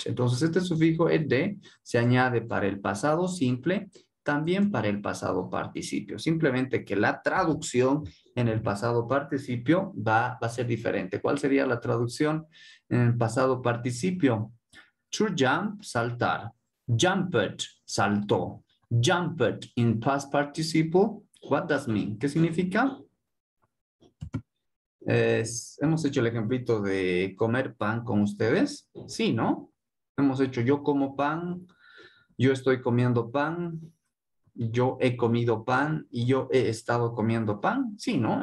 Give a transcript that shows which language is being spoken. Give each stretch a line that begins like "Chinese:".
Spanish: Entonces, este sufijo ed se añade para el pasado simple, también para el pasado participio. Simplemente que la traducción en el pasado participio va a ser diferente. ¿Cuál sería la traducción en el pasado participio?
English: To jump, saltar. Jumped, saltó. Jumped in past participle. What does mean?
Spanish: ¿Qué significa? Hemos hecho el ejemplito de comer pan con ustedes. Sí, ¿no? Hemos hecho yo como pan. Yo estoy comiendo pan. Yo he comido pan y yo he estado comiendo pan. Sí, ¿no?